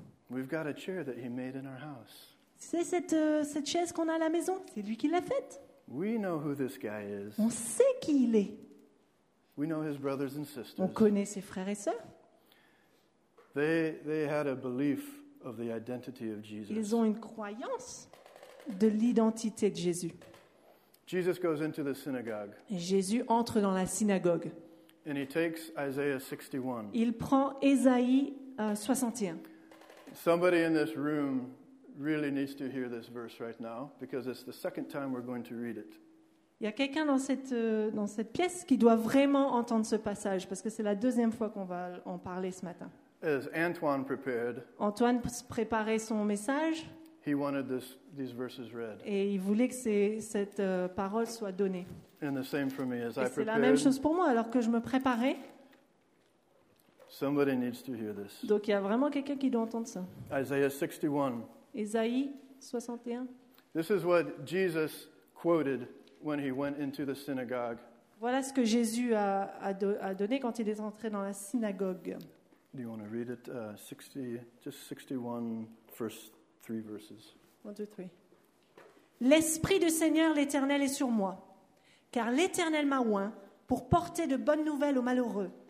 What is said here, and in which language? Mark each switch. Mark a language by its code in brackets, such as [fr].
[en] We've got a chair that he made in our house. [fr] C'est cette chaise qu'on a à la maison. C'est lui qui l'a faite. [en] We know who this guy is. [fr] On sait qui il est. [en] We know his brothers and sisters. [fr] On connaît ses frères et sœurs. [en] They had a belief of the identity of Jesus. [fr] Ils ont une croyance de l'identité de Jésus. [en] Jesus goes into the synagogue. [fr] Et Jésus entre dans la synagogue. [en] And he takes Isaiah 61. [fr] Il prend Ésaïe 61. [en] Somebody in this room really needs to hear this verse right now because it's the second time we're going to read it. [fr] Il y a quelqu'un dans cette pièce qui doit vraiment entendre ce passage parce que c'est la deuxième fois qu'on va en parler ce matin. [en] As Antoine prepared. [fr] Antoine préparait son message. [en] He wanted these verses read. [fr] Et il voulait que cette parole soit donnée. [en] And the same for me as I prepared. [fr] Et c'est la même chose pour moi alors que je me préparais. [en] Somebody needs to hear this. [fr] Donc il y a vraiment quelqu'un qui doit entendre ça. [en] Isaiah 61. [fr] Ésaïe 61. [en] This is what Jesus quoted when he went into the synagogue. [fr] Voilà ce que Jésus a donné quand il est entré dans la synagogue. [en] Do you want to read it? 61, first three verses. 1, 2, 3. [fr] L'Esprit du Seigneur, l'Éternel, est sur moi, car l'Éternel m'a oint pour porter de bonnes nouvelles aux malheureux.